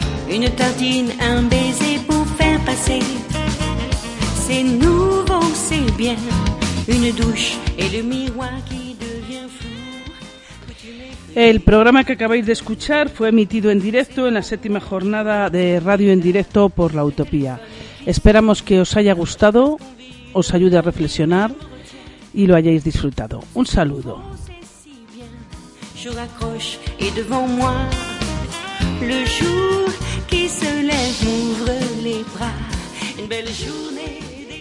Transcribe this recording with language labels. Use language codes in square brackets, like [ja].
[fr] Une tartine, un baiser pour faire passer. C'est nouveau, c'est bien. Une douche et le miroir qui devient fou. Que tu m'es fou. [es] El programa que acabáis de escuchar fue emitido en directo en la séptima jornada de Radio en Directo por la Utopía. Esperamos que os haya gustado, os ayude a reflexionar y lo hayáis disfrutado. Un saludo. [fr] Je raccroche et devant moi le jour qui se lève m'ouvre les bras. Une belle journée.